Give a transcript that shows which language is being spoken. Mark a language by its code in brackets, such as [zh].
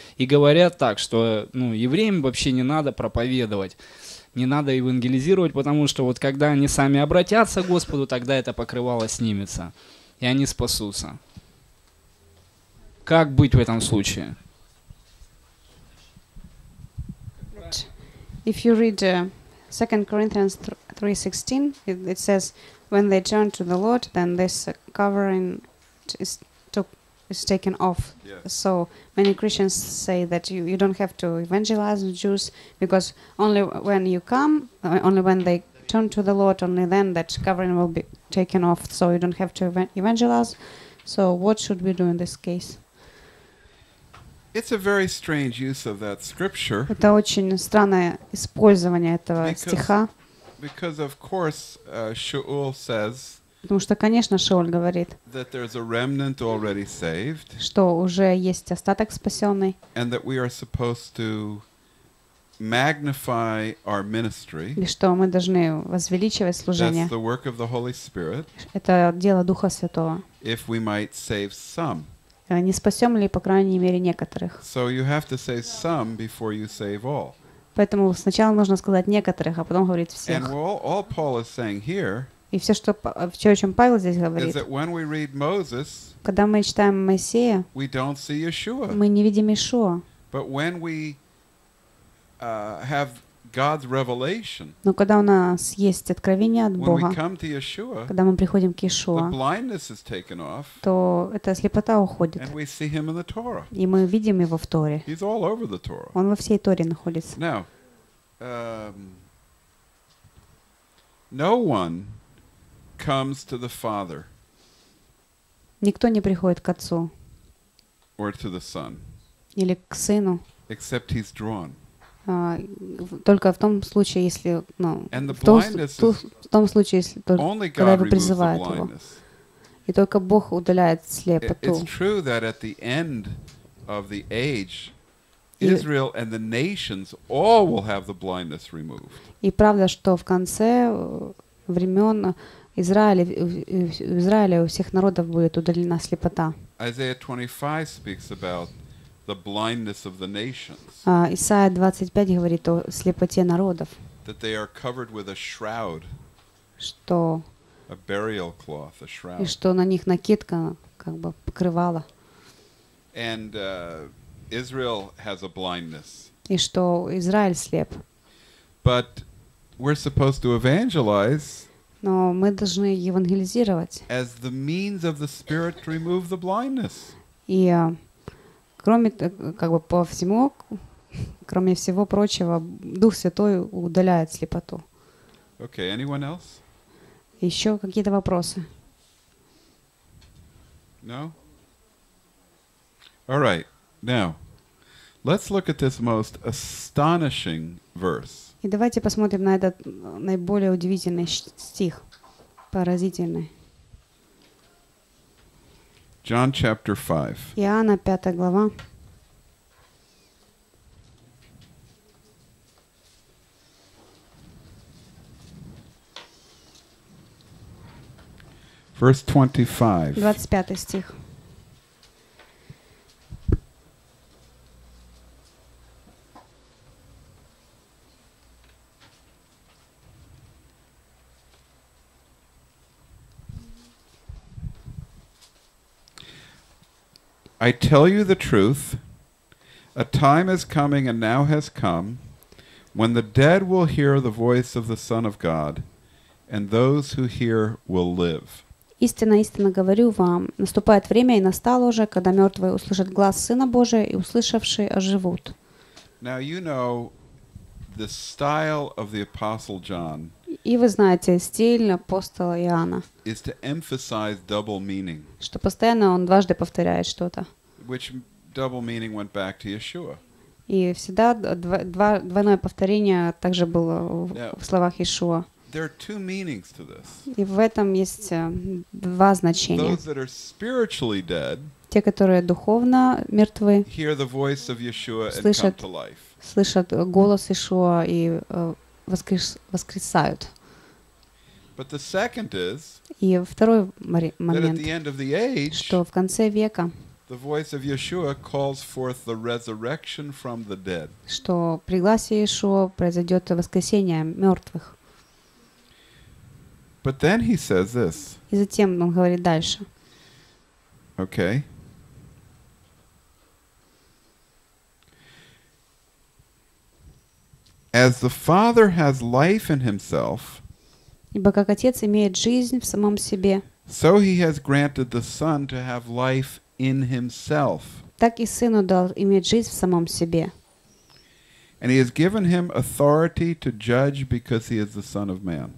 [ru] И говорят так, что ну, евреям вообще не надо проповедовать, не надо евангелизировать, потому что вот когда они сами обратятся к Господу, тогда это покрывало снимется, и они спасутся. Как быть в этом случае? [en] If you read 2 Corinthians 3:16, it says, when they turn to the Lord, then this covering is taken off. Yes. So many Christians say that you don't have to evangelize the Jews, because only when you come, only when they turn to the Lord, only then that covering will be taken off, so you don't have to evangelize. So what should we do in this case? It's a very strange use of that scripture. [ru] Это очень странное использование этого стиха. [en] Because of course, Shaul says. [ru] Потому что, конечно, Шауль говорит. [en] That there's a remnant already saved. [ru] Что уже есть остаток спасенный. [en] And that we are supposed to magnify our ministry. [ru] И что мы должны возвеличивать служение. [en] That's the work of the Holy Spirit. [ru] Это дело Духа Святого. [en] If we might save some. [ru] Не спасем ли, по крайней мере, некоторых. [en] So you have to save some before you save all. [ru] Поэтому сначала нужно сказать некоторых, а потом говорить всех. [en] And all Paul is saying here, [ru] и все, что, о чем Павел здесь говорит, [en] is that when we read Moses, [ru] когда мы читаем Моисея, [en] we don't see Yeshua. [ru] Мы не видим Ишуа. [en] But when we, have God's revelation, [ru] но когда у нас есть откровение от Бога, [en] when we come to Yeshua, [ru] когда мы приходим к Ишуа, [en] the blindness is taken off, [ru] то эта слепота уходит. [en] And we see him in the Torah. [ru] И мы видим его в Торе. [en] He's all over the Torah. [ru] Он во всей Торе находится. [en] Now, no one comes to the Father. [ru] Никто не приходит к Отцу. [en] Or to the Son. [ru] Или к Сыну. [en] Except he's drawn. [ru] Только в том случае, если, ну, в том случае, если только [en] only God [ru] когда его призывает [en] the [ru] его. И только Бог удаляет слепоту. [en] It's true that at the end of the age, Israel and the nations all will have the blindness removed. [ru] И правда, что в конце времен в Израиле у всех народов будет удалена слепота. [en] Isaiah 25 speaks about the blindness of the nations. [ru] Исайя 25 говорит о слепоте народов. [en] That they are covered with a shroud. [ru] Что? [en] A burial cloth, a shroud. [ru] И что на них накидка, как бы покрывало. [en] And Israel has a blindness. [ru] И что Израиль слеп. [en] But we're supposed to evangelize. [ru] Но мы должны евангелизировать. [en] As the means of the Spirit to remove the blindness. [ru] И кроме, как бы по всему, кроме всего прочего, Дух Святой удаляет слепоту. [en] Okay, anyone else? [ru] Еще какие-то вопросы? [en] No? All right. Now, let's look at this most astonishing verse. [ru] И давайте посмотрим на этот наиболее удивительный стих, поразительный. [en] John chapter 5. [ru] Иоанна 5 глава. [en] Verse 25. [ru] 25 стих. [en] I tell you the truth, a time is coming and now has come when the dead will hear the voice of the Son of God, and those who hear will live. [ru] Истинно, истинно говорю вам, наступает время и настало уже, когда мертвые услышат глас Сына Божия и услышавшие оживут. [en] Now you know the style of the Apostle John. [ru] И вы знаете стиль апостола Иоанна. [en] Is to emphasize double meaning. [ru] Что постоянно он дважды повторяет что-то. [en] Which double meaning went back to Yeshua. [ru] И всегда двойное повторение также было в словах Ишуа. [en] There are two meanings to this. [ru] И в этом есть два значения. [en] Those that are spiritually dead. [ru] Те, которые духовно мертвы. [en] Hear the voice of Yeshua and come to life. [ru] Слышат голос Ишуа и воскресают. [en] But the second is. [ru] И второй момент. [en] At the end of the age. [ru] Что в конце века. [en] The voice of Yeshua calls forth the resurrection from the dead. [ru] Что при гласе Ишуа произойдет воскресение мертвых. [en] But then he says this. [ru] И затем он говорит дальше. [en] Okay. As As the Father has life in himself, [ru] ибо как Отец имеет жизнь в самом себе, [en] so he has granted the Son to have life in himself. [ru] Так и Сыну дал иметь жизнь в самом себе. [en] And he has given him authority to judge because he is the Son of Man.